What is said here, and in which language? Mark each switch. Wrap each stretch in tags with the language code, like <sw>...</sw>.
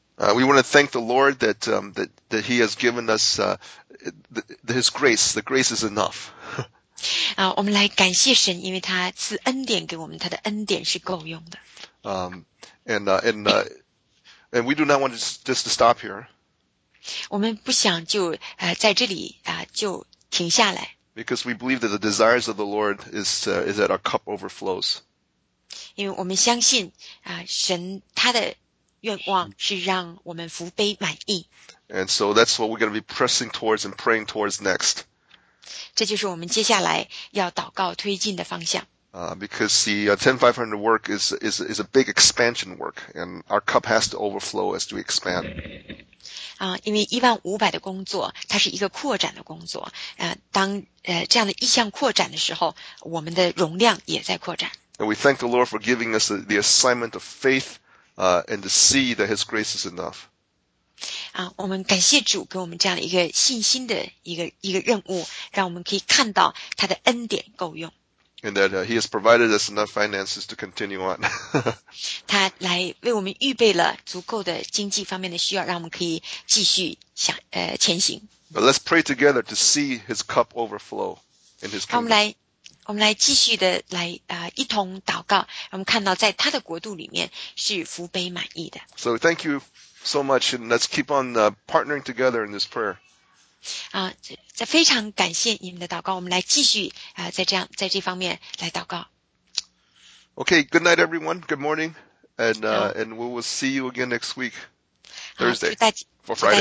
<en>We want to thank the Lord that he has given us his grace. The grace is enough.</en> <zh>我们来感谢神，因为他赐恩典给我们，他的恩典是够用的。</zh> <en>And we do not want just to stop here.</en> <zh>我们不想就在这里就停下来。</zh> <en>Because we believe that the desires of the Lord is that our cup overflows.</en> <zh>因为我们相信神他的愿望是让我们福杯满溢。</zh> <en>And so that's what we're going to be pressing towards and praying towards next.</en> <zh>这就是我们接下来要祷告推进的方向。</zh> <en>Because the 10500 work is a big expansion work, and our cup has to overflow as we expand.</en> <zh>因为15000的工作，它是一个扩展的工作。当这样的意向扩展的时候，我们的容量也在扩展。</zh> <en>And we thank the Lord for giving us the assignment of faith, and to see that His grace is enough.</en> <zh>我们感谢主给我们这样的一个信心的一个任务，让我们可以看到他的恩典够用。</zh> <en>And that he has provided us enough finances to continue on.</en> <zh>他来为我们预备了足够的经济方面的需要，让我们可以继续前行。</zh> <en>But let's pray together to see his cup overflow in his kingdom.</en> <zh>我们来继续的一同祷告，我们看到在他的国度里面是福杯满溢的。</zh> <en>So thank you so much, and let's keep on partnering together in this prayer.</en> <zh>非常感谢你们的祷告，我们来继续在这方面来祷告。</zh> <en>Okay, good night, everyone. Good morning, and we will see you again next week, Thursday for Friday.</en>